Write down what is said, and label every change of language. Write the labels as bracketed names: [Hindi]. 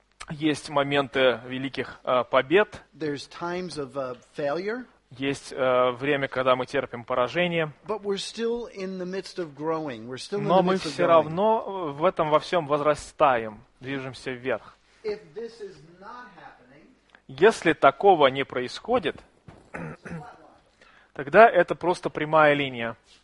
[Russian] Есть моменты великих побед. [English] Times of, failure. [Russian] Есть время, когда мы терпим поражение. [English] But we're still in the midst of growing. We're still [Russian] Но мы все равно в этом во всем возрастаем, движемся вверх. [English] If this is not happening, [Russian] если такого не происходит, тогда это просто прямая линия.